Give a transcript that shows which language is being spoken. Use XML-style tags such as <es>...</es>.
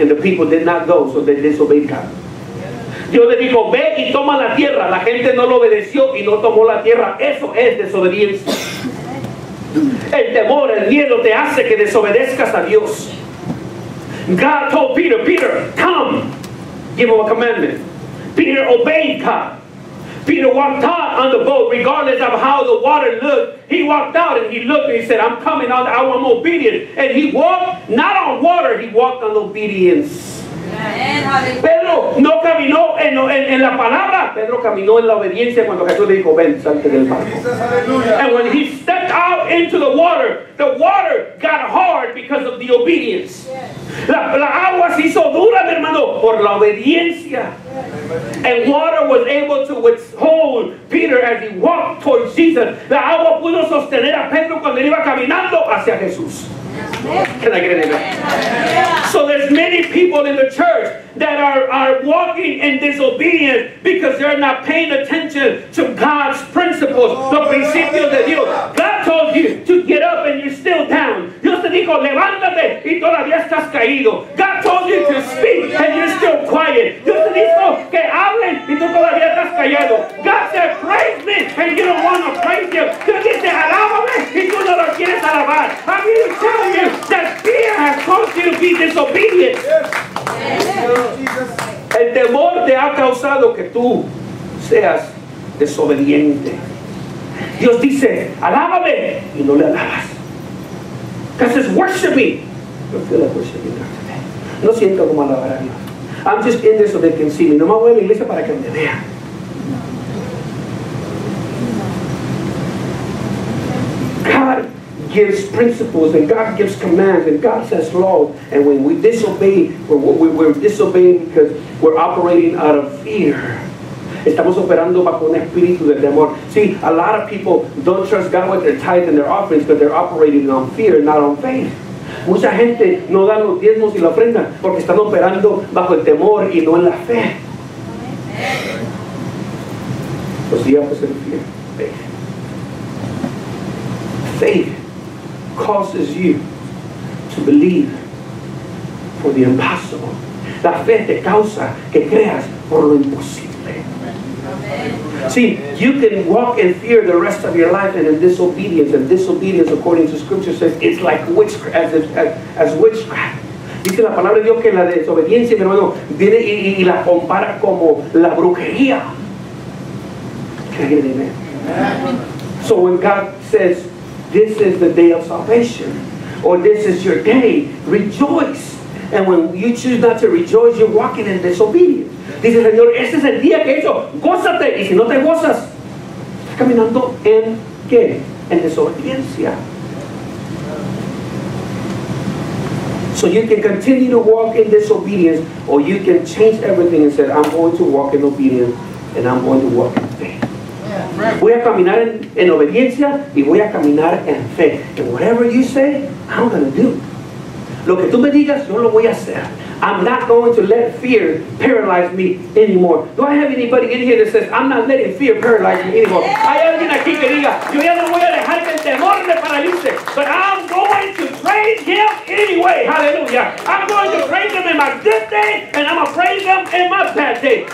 <en>And the people did not go, so they disobeyed God.</en> <es>Dios le dijo, ve y toma la tierra. La gente no lo obedeció y no tomó la tierra. Eso es desobediencia. El temor, el miedo te hace que desobedezcas a Dios.</es> <en>God told Peter, come. Give him a commandment. Peter obeyed God. Peter walked out on the boat regardless of how the water looked. He walked out and he looked and he said, I'm coming out. I'm obedient. And he walked not on water. He walked on obedience.</en> <es>Pedro no caminó en la palabra. Pedro caminó en la obediencia cuando Jesús le dijo, ven, salte del barco.</es> <en>And when he stepped out into the water got hard because of the obedience.</en> <es>La agua se hizo dura, mi hermano, por la obediencia.</es> <en>And water was able to withhold Peter as he walked towards Jesus.</en> <es>La agua pudo sostener a Pedro cuando él iba caminando hacia Jesús.</es> <en>Can I get an amen? So there's many people in the church that are walking in disobedience because they're not paying attention to God's principles,</en> <es>the principios de Dios.</es> <en>God told you to get up and you're still down.</en> <es>Dios te dijo, levántate y todavía estás caído.</es> <en>God told you to speak and you're still quiet.</en> <es>Dios te dijo que hablen y tú todavía estás callado.</es> <en>God said, praise me and you don't want to praise him.</en> <es>Dios dice, alábame y tú no lo quieres alabar.</es> <en>I'm here to tell you that fear has caused you to be disobedient. Yes.</en> <es>El temor causado que tú seas desobediente. Dios dice, alábame, y no le alabas.</es> <en>God says, worship me. No feel like worshiping God today.</en> <es>No siento como alabar a Dios.</es> <en>I'm just in this so they can see me.</en> <es>No me voy a la iglesia para que me vean.</es> <en>God gives principles and God gives commands and God says law. And when we disobey, we're disobeying because we're operating out of fear.</en> <es>Estamos operando bajo un espíritu de temor.</es> <en>See, a lot of people don't trust God with their tithes and their offerings because they're operating on fear and not on faith.</en> <es>Mucha gente no da los diezmos y la ofrenda porque están operando bajo el temor y no en la fe. Los diablos en fear.</es> <en>Faith causes you to believe for the impossible.</en> <es>La fe te causa que creas por lo imposible.</es> <en>See, you can walk in fear the rest of your life and in disobedience. And disobedience, according to Scripture, says it's like witchcraft. As witchcraft.</en> <es>Dice la palabra de Dios que la desobediencia, mi hermano, viene y la compara como la brujería.</es> <en>So when God says, this is the day of salvation, or this is your day, rejoice. And when you choose not to rejoice, you're walking in disobedience.</en> <es>Dice, Señor, este es el día que he hecho. Gózate. Y si no te gozas, estás caminando en ¿qué? En desobediencia.</es> <en>So you can continue to walk in disobedience, or you can change everything and say, I'm going to walk in obedience, and I'm going to walk in faith.</en> <es>Voy a caminar en obediencia y voy a caminar en fe.</es> <en>And whatever you say, I'm going to do.</en> <es>Lo que tú me digas, yo lo voy a hacer.</es> <en>I'm not going to let fear paralyze me anymore. Do I have anybody in here that says, I'm not letting fear paralyze me anymore?</en> <es>Hay alguien aquí que diga, yo ya no voy a dejar que el temor me paralice,</es> <en>but I'm going to praise him anyway. Hallelujah. I'm going to praise him in my good day, and I'm going to praise him in my bad day.</en>